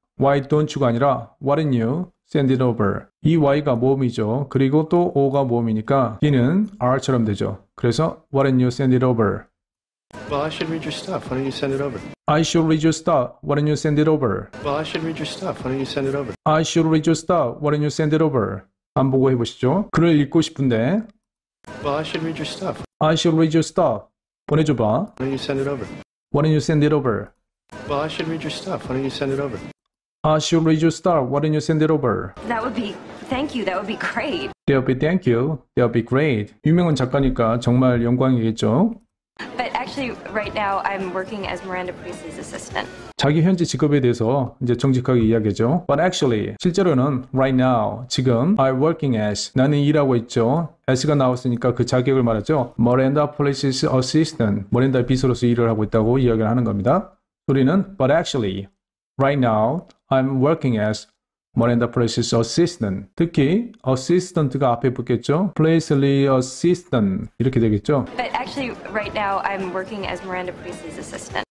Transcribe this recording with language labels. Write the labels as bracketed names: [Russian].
[English] Why don't you가 [Korean] 아니라 [English] Why don't you send it over? [Korean] 이 Y가 모음이죠. 그리고 또 O가 모음이니까 D는 R처럼 되죠. [English] 그래서 Why don't you send it over? Well, I should read your stuff. Why don't you send it over? I should read your stuff. Why don't you send it over? Well, I should read your stuff. Why don't you send it over? I should read your stuff. Why don't you send it over? [Korean] 반복을 해보시죠. 글을 읽고 싶은데. [English] Well, I should read your stuff. I should read your stuff. [Korean] 보내줘봐. [English] Why don't you send it over? Why don't you send it over? Well, I should read your stuff. Why don't you send it over? I should read your stuff. Why don't you send it over? That would be... Thank you. That would be great. That would be thank you. That would be great. [Korean] 유명한 작가니까 정말 영광이겠죠. [English] But actually, right now, I'm working as Miranda Priestly's assistant. [Korean] 자기 현재 직업에 대해서 이제 정직하게 이야기하죠. [English] But actually, [Korean] 실제로는 [English] right now, [Korean] 지금 [English] I'm working as, [Korean] 나는 일하고 있죠. as가 나왔으니까 그 자격을 말하죠. Miranda Priestly's assistant, 모렌다 비서로서 일을 하고 있다고 이야기를 하는 겁니다. 우리는 [English] But actually, right now, I'm working as Miranda Priestly's assistant. [Korean] 특히 assistant가 앞에 붙겠죠. Priestly assistant 이렇게 되겠죠. [English] But actually, right now I'm working as Miranda Priestly's assistant.